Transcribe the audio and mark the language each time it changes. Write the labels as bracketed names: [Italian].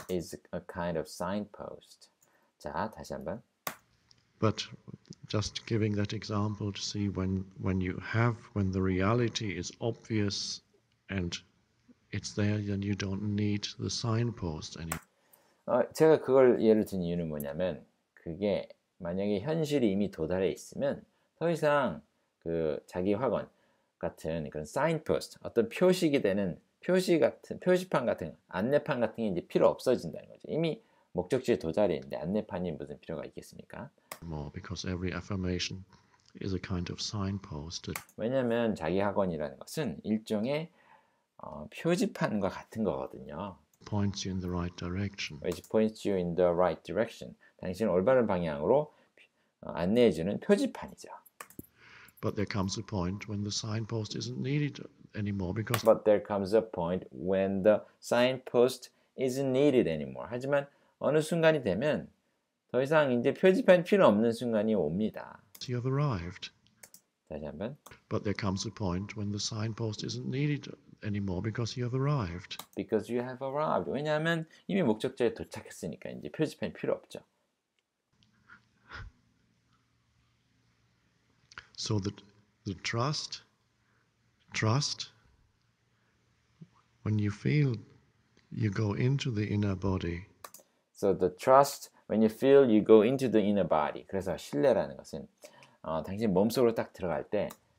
[English] Is a kind of signpost. [Korean] 자, 다시 한번. [English] But just giving that example to see when you have when the reality is obvious, and it's there, then you don't need the signpost anymore. [Korean] 제가 그걸 예를 든 이유는 뭐냐면 그게 만약에 현실이 이미 도달해 있으면 더 이상 그 자기 확언 같은 그런 signpost 어떤 표식이 되는 표시 같은 표시판 같은 안내판 같은 게 이제 필요 없어진다는 거죠. 이미 목적지에 도달했는데 안내판이 무슨 필요가 있겠습니까? [English] More because every affirmation is a kind of signpost. [Korean] 왜냐하면 자기 확언이라는 것은 일종의 표지판과 같은 거거든요. [English] Points you in the right direction. Which points you in the right direction. [Korean] 당신을 올바른 방향으로 안내해주는 표지판이죠. [English] But there comes a point when the signpost isn't needed anymore because. But there comes a point when the signpost isn't needed anymore. [Korean] 하지만 어느 순간이 되면 더 이상 이제 표지판 필요 없는 순간이 옵니다. [English] You have arrived. [Korean] 다시 한번. [English] But there comes a point when the signpost isn't needed anymore because you have arrived. Because you have arrived. [Korean] 왜냐하면 이미 목적지에 도착했으니까 이제 표지판 필요 없죠. [English] So the trust, when you feel you go into the inner body. So the trust, when you feel you go into the inner body. [Korean] 그래서 신뢰라는 것은 당신 몸속으로 딱 들어갈 때.